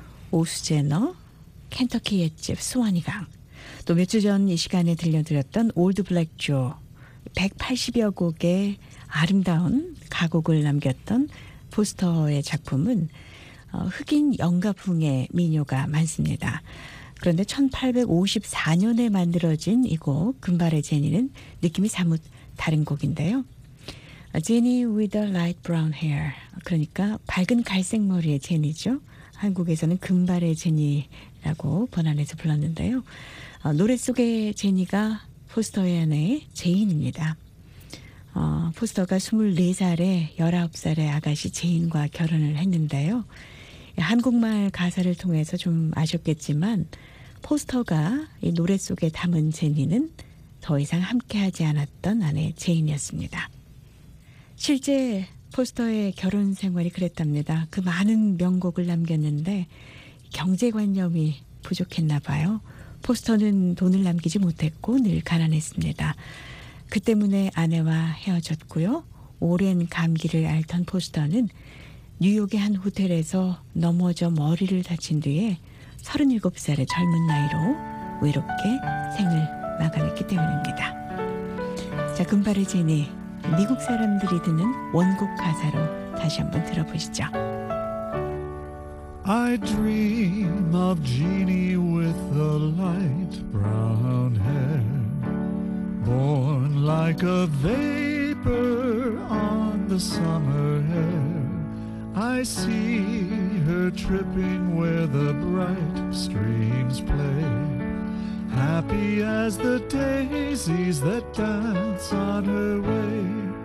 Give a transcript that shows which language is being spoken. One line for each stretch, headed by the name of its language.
Korean: 오수제너, 켄터키 옛집 스와니강, 또 며칠 전 이 시간에 들려드렸던 올드 블랙 조, 180여 곡의 아름다운 가곡을 남겼던 포스터의 작품은 흑인 영가풍의 민요가 많습니다. 그런데 1854년에 만들어진 이 곡 금발의 제니는 느낌이 사뭇 다른 곡인데요.
English: Jenny with a light brown hair,
Korean: 그러니까 밝은 갈색 머리의 제니죠. 한국에서는 금발의 제니라고 번안해서 불렀는데요. 노래 속의 제니가 포스터의 아내 제인입니다. 포스터가 24살에 19살의 아가씨 제인과 결혼을 했는데요. 한국말 가사를 통해서 좀 아쉽겠지만 포스터가 이 노래 속에 담은 제니는 더 이상 함께하지 않았던 아내 제인이었습니다. 실제 포스터의 결혼 생활이 그랬답니다. 그 많은 명곡을 남겼는데 경제관념이 부족했나 봐요. 포스터는 돈을 남기지 못했고 늘 가난했습니다. 그 때문에 아내와 헤어졌고요. 오랜 감기를 앓던 포스터는 뉴욕의 한 호텔에서 넘어져 머리를 다친 뒤에 37살의 젊은 나이로 외롭게 생을 마감했기 때문입니다. 자, 금발의 제니, 미국 사람들이 듣는 원곡 가사로 다시 한번 들어보시죠.
English: I dream of Jeannie with the light brown hair, born like a vapor on the summer air. I see her tripping where the bright streams play, happy as the daisies that dance on her way.